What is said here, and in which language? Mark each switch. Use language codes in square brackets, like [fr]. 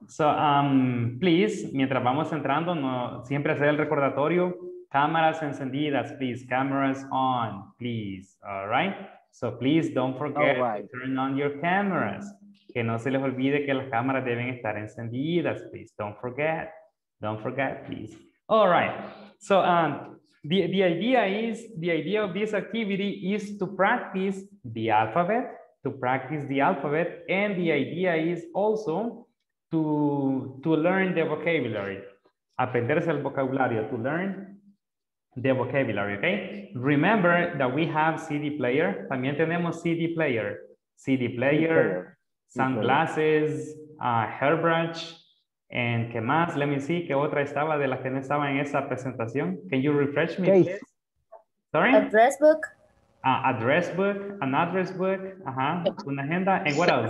[en] So, please, [es] mientras vamos entrando, no siempre hacer el recordatorio. Cámaras encendidas, please. [en] Cameras on, please. All right? So, please don't forget to turn on your cameras. [es] Que no se les olvide que las cámaras deben estar encendidas, [en] please. Don't forget. Don't forget, please. All right. So the idea of this activity is to practice the alphabet, and the idea is also to learn the vocabulary. [es] Aprenderse el vocabulario, [en] to learn the vocabulary, okay? Remember that we have CD player. [es] También tenemos [en] CD player. CD player, sunglasses, hairbrush. And [es] qué más? [en] Let me see, [es] ¿qué otra estaba de las que no estaba en esa presentación? [en] Can you refresh me, please? Sorry? Address book. Address book, an address book, [es] una agenda, [en] and what else?